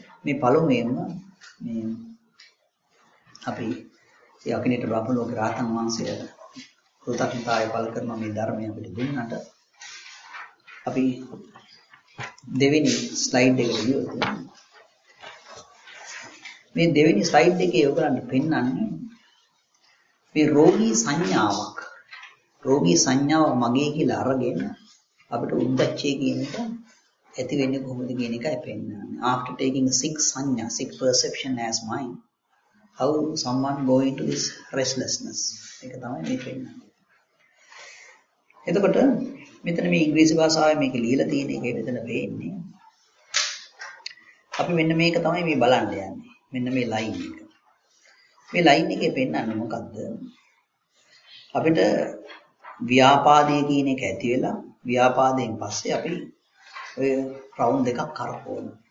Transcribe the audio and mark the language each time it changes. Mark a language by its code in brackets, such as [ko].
[si] මේ පළමුවෙන්ම මේ අපි ඒ අකිනේට බ්‍රහ්මලෝක රාතන් වහන්සේ කෘතඥතාය පල කරන මේ ධර්මය අපිට දුන්නාට අපි දෙවෙනි ස්ලයිඩ් එකට ගියොත් මේ දෙවෙනි ස්ලයිඩ් එකේ ඔයගලන්ට පෙන්වන්නේ මේ රෝගී සංඥාවක්. රෝගී සංඥාව මගේ කියලා අරගෙන අපිට උද්දච්චය කියන එක ඇති වෙන්නේ කොහොමද කියන එකයි පෙන්වන්නේ. [en] After taking six sanya, six perception as mind, how someone go into this restlessness. [si] ඒක තමයි මේ පෙන්වන්නේ. එතකොට මෙතන මේ ඉංග්‍රීසි භාෂාවෙන් මේක ලියලා තියෙන එක මෙතන වෙන්නේ. අපි මෙන්න මේක තමයි මේ බලන්න යන්නේ. මෙන්න මේ ලයින් එක. මේ ලයින් එකේ පෙන්වන්නේ මොකද්ද? අපිට ව්‍යාපාදයේ කියන එක ඇති වෙලා ව්‍යාපාදයෙන් පස්සේ අපි ඔය රවුම් දෙකක් කරපොන.